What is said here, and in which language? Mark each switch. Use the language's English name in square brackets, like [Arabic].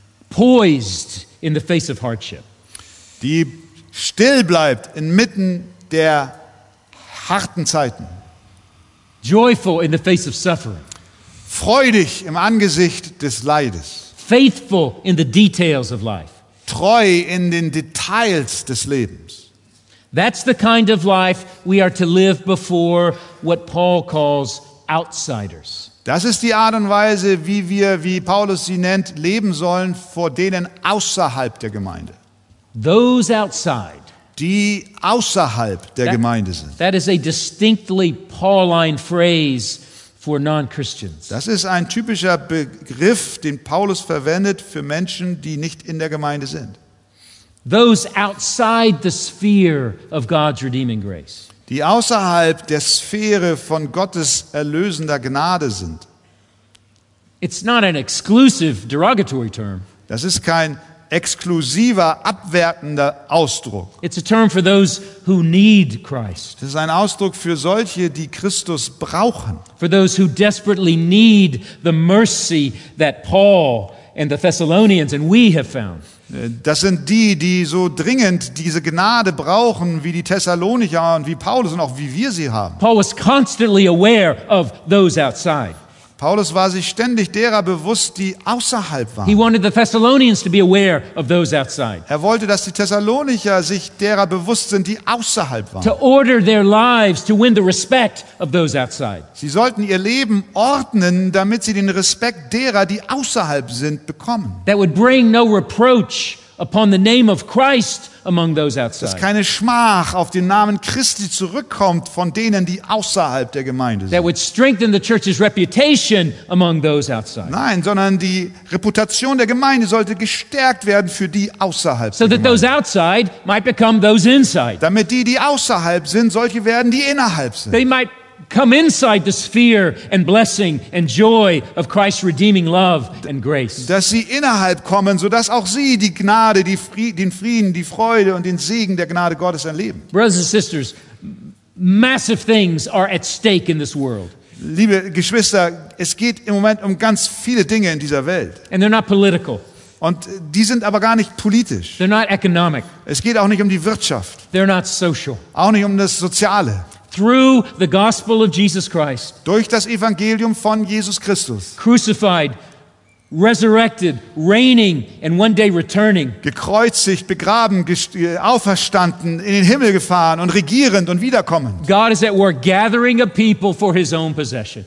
[English] Poised in the face of hardship. [German] Die still bleibt inmitten der harten Zeiten. [English] Joyful in the face of suffering. [German] Freudig im Angesicht des Leides. [English] Faithful in the details of life. [German] Treu in den Details des Lebens. [English] That's the kind of life we are to live before what Paul calls outsiders. [German] Das ist die Art und Weise, wie wir, wie Paulus sie nennt, leben sollen vor denen außerhalb der Gemeinde. [English] Those outside. [German] Die außerhalb der Gemeinde sind. [English] That is a distinctly Pauline phrase for non-Christians. [German] Das ist ein typischer Begriff, den Paulus verwendet für Menschen, die nicht in der Gemeinde sind. [English] Those outside the sphere of God's redeeming grace. [German] Die außerhalb der Sphäre von Gottes erlösender Gnade sind. [English] It's not an exclusive derogatory term. [German] Das ist kein exklusiver, abwertender Ausdruck. [English] It's a term for those who need Christ. [German] Es ist ein Ausdruck für solche, die Christus brauchen. [English] For those who desperately need the mercy that Paul and the Thessalonians and we have found. [German] Das sind die, die so dringend diese Gnade brauchen, wie die Thessalonicher und wie Paulus und auch wie wir sie haben. [English] Paul was constantly aware of those outside. [German] Paulus war sich ständig derer bewusst, die außerhalb waren. [English] He wanted the Thessalonians to be aware of those outside. [German] Er wollte, dass die Thessalonicher sich derer bewusst sind, die außerhalb waren. [English] To order their lives to win the respect of those outside. [German] Sie sollten ihr Leben ordnen, damit sie den Respekt derer, die außerhalb sind, bekommen. [English] That would bring no reproach upon the name of Christ among those outside. [German] Dass keine Schmach auf den Namen Christi zurückkommt von denen, die außerhalb der Gemeinde sind. [English] That would strengthen the church's reputation among those outside. [German] Nein, sondern die Reputation der Gemeinde sollte gestärkt werden für die außerhalb. [English] So that those outside might become those inside. [German] Damit die außerhalb sind, solche werden, die innerhalb sind. [English] They might come inside the sphere and blessing and joy of Christ's redeeming love and grace. [German] Dass sie innerhalb kommen, so dass auch sie die Gnade, den Frieden, die Freude und den Segen der Gnade Gottes erleben. [English] Brothers and sisters, massive things are at stake in this world. [German] Liebe Geschwister, es geht im Moment um ganz viele Dinge in dieser Welt. [English] And they're not political. [German] Und die sind aber gar nicht politisch. [English] They're not economic. [German] Es geht auch nicht um die Wirtschaft. [English] They're not social. [German] Auch nicht um das Soziale. [English] Through the gospel of Jesus Christ. [German] Durch das Evangelium von Jesus Christus. [English] Crucified, resurrected, reigning and one day returning. [German] Gekreuzigt, begraben, auferstanden, in den Himmel gefahren und regierend und wiederkommend. [English] God is at work gathering a people for his own possession.